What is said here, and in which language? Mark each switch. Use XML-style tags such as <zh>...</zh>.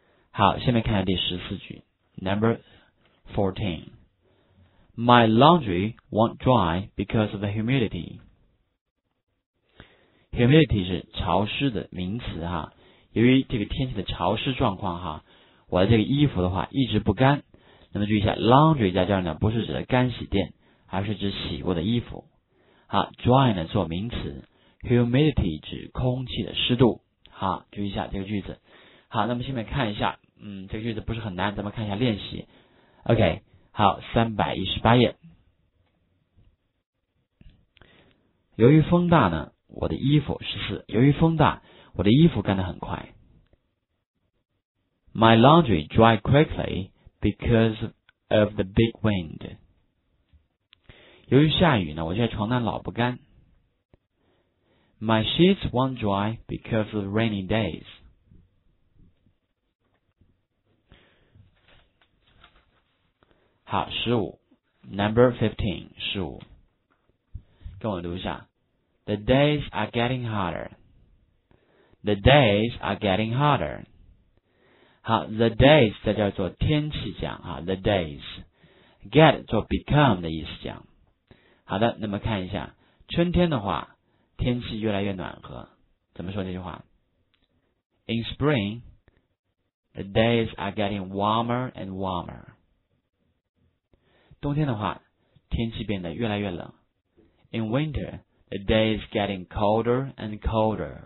<zh>好，下面看下第14句 ,</zh> <en>Number 14. My laundry won't dry because of the humidity.</en> <zh>Humidity 是潮湿的名词哈。由于这个天气的潮湿状况哈，我的这个衣服的话一直不干。那么注意一下 ，laundry 在这儿呢，不是指的干洗店，而是指洗过的衣服。好 ，dry 呢做名词 ，humidity 指空气的湿度。好，注意一下这个句子。好，那么下面看一下，这个句子不是很难，咱们看一下练习。 OK， 好， 318页。由于风大呢，我的衣服14。由于风大。我的衣服干得很快。</zh> <en>My laundry dried quickly because of the big wind.</en> <zh>由于下雨呢，我这床单老不干。</zh> <en>My sheets won't dry because of rainy days.</en> <zh>好，15 ，</zh> <en>Number 15，</en> <zh>15，跟我读一下。</zh> <en>The days are getting hotter. The days are getting hotter.</en> <zh>好 ，the days 这叫做天气讲啊 ，the days。 get 做 become 的意思讲。好的，那么看一下，春天的话，天气越来越暖和，怎么说这句话 ？</zh> <en>In spring, the days are getting warmer and warmer。</en> <zh>冬天的话，天气变得越来越冷。</zh> <en>In winter, the days getting colder and colder.</en>